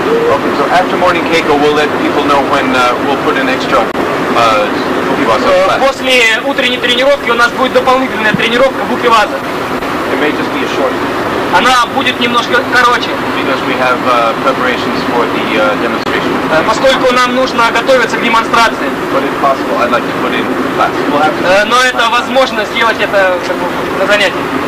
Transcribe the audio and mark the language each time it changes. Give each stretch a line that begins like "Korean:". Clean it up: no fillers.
English: Okay, so after morning keiko, we'll let people know when we'll put an extra bukivaza class.
Russian: После утренней тренировки у нас будет дополнительная тренировка bukivaza.
English: It may just be a short.
Russian: Она будет немножко короче.
English: Because we have preparations for the demonstration.
Russian: Поскольку нам нужно готовиться к демонстрации.
English: But if possible, I'd like to put in class. We'll have.
Russian: Но это возможно сделать это на занятии.